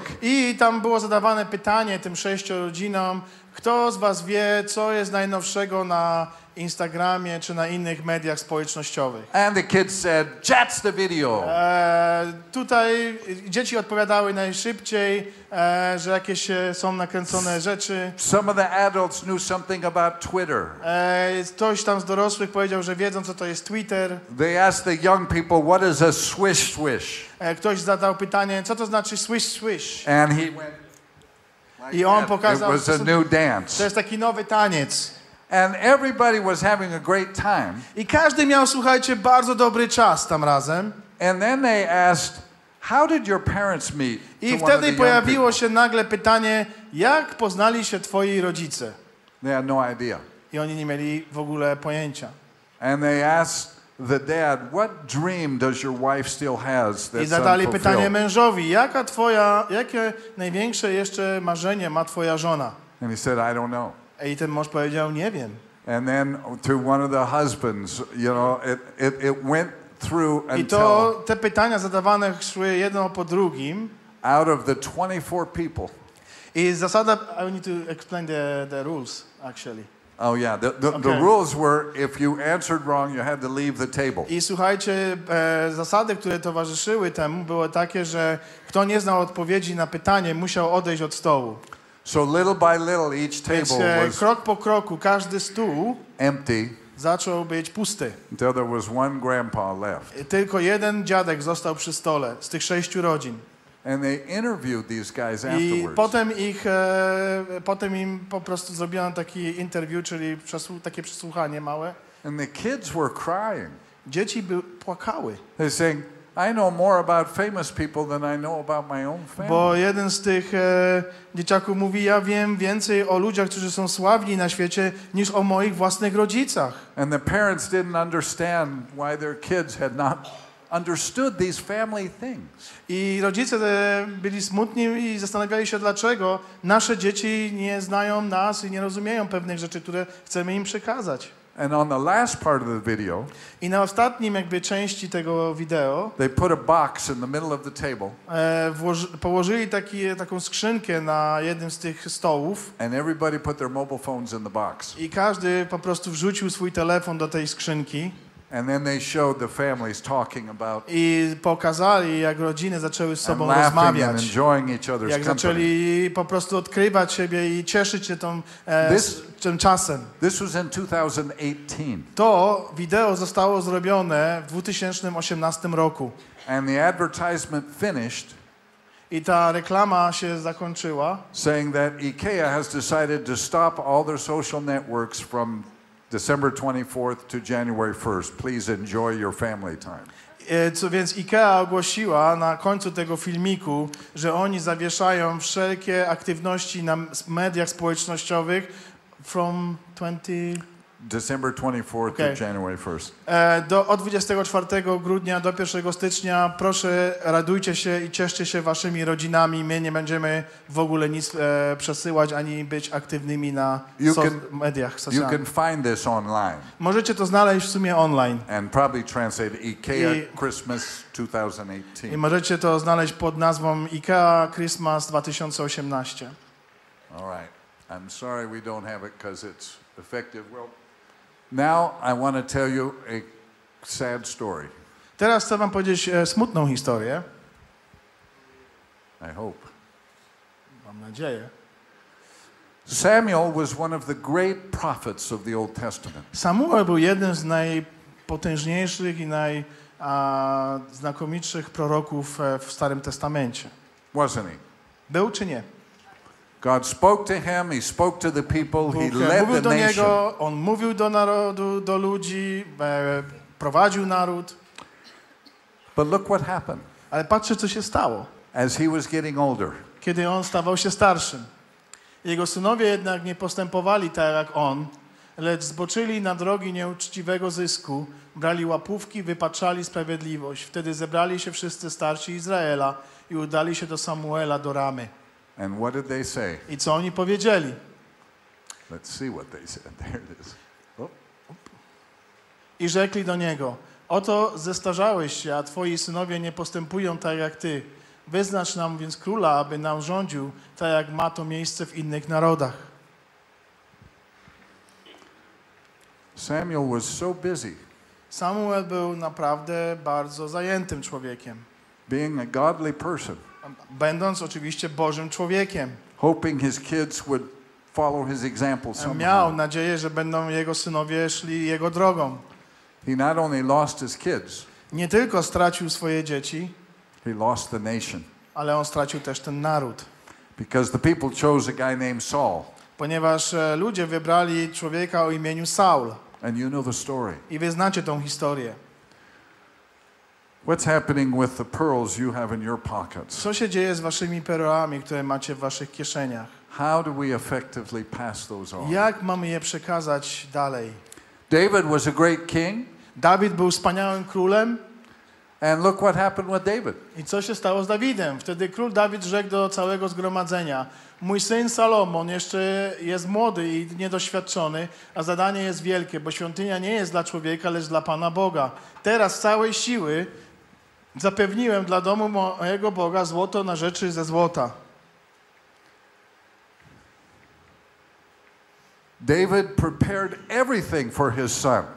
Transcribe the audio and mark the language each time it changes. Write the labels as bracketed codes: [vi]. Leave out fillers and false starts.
[pl] Okay. I tam było zadawane pytanie tym 6 rodzinom, Kto z was wie, co jest najnowszego na Instagramie czy na innych mediach społecznościowych? [en] And the kids said, "That's the video." [pl] Tutaj dzieci odpowiadały najszybciej, że jakieś są nakręcone rzeczy. [en] Some of the adults knew something about Twitter. [pl] Ktoś tam z dorosłych powiedział, że wiedzą, co to jest Twitter. [en] They asked the young people, "What is a swish swish?" [pl] Ktoś zadał pytanie, co to znaczy swish swish? [en] And he went. [pl] I on pokazał, [en] it was a new dance. [pl] To jest taki nowy taniec. [en] And everybody was having a great time. [pl] I każdy miał, słuchajcie, bardzo dobry czas tam razem. [en] And then they asked, how did your parents meet? [pl] I wtedy pojawiło się nagle pytanie, jak poznali się twoi rodzice? [en] They had no idea. [pl] I oni nie mieli w ogóle pojęcia. [en] And they asked the dad, what dream does your wife still has that's unfulfilled? [pl] I zadali pytanie mężowi, jakie największe jeszcze marzenie ma twoja żona? [en] And he said, I don't know. [pl] I ten mąż powiedział, nie wiem. [en] And then to one of the husbands, you know, it went through until. [pl] I to te pytania zadawane szły jedno po drugim. [en] Out of the 24 people. [pl] I zasada, [en] I need to explain the rules actually. Oh yeah, the rules were if you answered wrong, you had to leave the table. [pl] I słuchajcie, zasady, które towarzyszyły temu, były takie, że kto nie znał odpowiedzi na pytanie, musiał odejść od stołu. [en] So little by little each table was [pl] krok po kroku każdy stół [en] empty. [pl] Zaczął być pusty. [en] Until there was one grandpa left. [pl] I tylko jeden dziadek został przy stole z tych sześciu rodzin. [en] And they interviewed these guys afterwards. [pl] I potem ich potem im po prostu zrobiono taki interview, czyli takie przesłuchanie małe. [en] And the kids were crying. [pl] Dzieci płakały. [en] They're saying, I know more about famous people than I know about my own family. [pl] Bo jeden z tych dzieciaków mówi, ja wiem więcej o ludziach, którzy są sławni na świecie, niż o moich własnych rodzicach. [en] And the parents didn't understand why their kids had not understood these family things. [pl] I rodzice byli smutni i zastanawiali się, dlaczego nasze dzieci nie znają nas i nie rozumieją pewnych rzeczy, które chcemy im przekazać. [en] And on the last part of the video, [pl] i na ostatnim jakby części tego wideo, [en] they put a box in the middle of the table. [pl] Położyli taką skrzynkę na jednym z tych stołów. [en] And everybody put their mobile phones in the box. [pl] I każdy po prostu wrzucił swój telefon do tej skrzynki. [en] And then they showed the families talking about. [pl] I pokazali, jak rodziny zaczęły z sobą rozmawiać. [en] And enjoying each other's company. [pl] Jak zaczęli po prostu odkrywać siebie i cieszyć się tym czasem. [en] This was in 2018. [pl] To wideo zostało zrobione w 2018 roku. [en] And the advertisement finished. [pl] I ta reklama się zakończyła. [en] Saying that IKEA has decided to stop all their social networks from December 24th to January 1st. Please enjoy your family time. [pl] Co więc IKEA ogłosiła na końcu tego filmiku, że oni zawieszają wszelkie aktywności na mediach społecznościowych [en] from 20... December 24th okay. to January 1st. [pl] Od 24 grudnia do 1 stycznia proszę radujcie się i cieszcie się waszymi rodzinami. My nie będziemy w ogóle nic przesyłać ani być aktywnymi na mediach socjalnych. [en] You can find this online. [pl] Możecie to znaleźć w sumie online. [en] And probably translate IKEA Christmas 2018. [pl] I możecie to znaleźć pod nazwą IKEA Christmas 2018. [en] All right. I'm sorry we don't have it because it's effective. Well, now I want to tell you a sad story. [pl] Teraz chcę wam powiedzieć smutną historię. [en] I hope. [pl] Mam nadzieję. [en] Samuel was one of the great prophets of the Old Testament. [pl] Samuel był jednym z najpotężniejszych i najznakomitszych proroków w Starym Testamencie. [en] Wasn't he? [pl] Był czy nie? [en] God spoke to him, he spoke to the people, he led the nation. [pl] Niego, on mówił do narodu, do ludzi, prowadził naród. [en] But look what happened. [pl] Ale patrzcie, co się stało. [en] As he was getting older. [pl] Kiedy on stawał się starszym. Jego synowie jednak nie postępowali tak jak on, lecz zboczyli na drogi nieuczciwego zysku, brali łapówki, wypaczali sprawiedliwość. Wtedy zebrali się wszyscy starsi Izraela i udali się do Samuela, do Ramy. [en] And what did they say? [pl] I co oni powiedzieli? [en] Let's see what they said. There it is. [pl] I rzekli do niego, oto zestarzałeś się, a twoi synowie nie postępują tak jak ty. Wyznacz nam więc króla, aby nam rządził, tak jak ma to miejsce w innych narodach. [en] Samuel was so busy. [pl] Samuel był naprawdę bardzo zajętym człowiekiem. [en] Being a godly person. [pl] Będąc oczywiście Bożym człowiekiem. [en] Hoping his kids would follow his example somehow. [pl] Miał nadzieję, że będą jego synowie szli jego drogą. [en] He not only lost his kids. [pl] Nie tylko stracił swoje dzieci. [en] He lost the nation. [pl] Ale on stracił też ten naród. [en] Because the people chose a guy named Saul. [pl] Ponieważ ludzie wybrali człowieka o imieniu Saul. [en] And you know the story. [pl] I wy znacie tą historię. [en] What's happening with the pearls you have in your pockets? [pl] Co się dzieje z waszymi perłami, które macie w waszych kieszeniach? [en] How do we effectively pass those on? [pl] Jak mamy je przekazać dalej? [en] David was a great king. [pl] Dawid był wspaniałym królem. [en] And look what happened with David. [pl] I co się stało z Dawidem? Wtedy król Dawid rzekł do całego zgromadzenia: mój syn Salomon jeszcze jest młody i niedoświadczony, a zadanie jest wielkie, bo świątynia nie jest dla człowieka, lecz dla Pana Boga. Teraz całej siły zapewniłem dla domu mojego Boga złoto na rzeczy ze złota. [en] David prepared everything for his son.